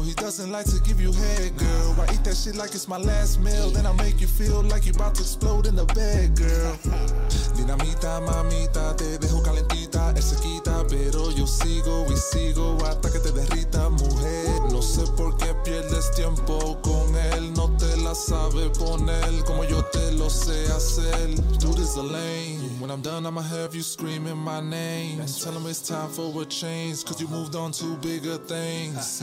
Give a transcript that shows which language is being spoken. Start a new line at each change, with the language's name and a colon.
English: He doesn't like to give you head, girl. I eat that shit like it's my last meal. Then I make you feel like you're about to explode in the bed, girl.
Spanish: Dinamita, mamita, te dejo calentita. Él se quita, pero yo sigo y sigo hasta que te derrita, mujer. No sé por qué pierdes tiempo con él. No te la sabe poner como yo te lo sé hacer.
English: Dude is a lame. When I'm done, I'ma have you screaming my name. Right. Tell him it's time for a change, cause you moved on to bigger things.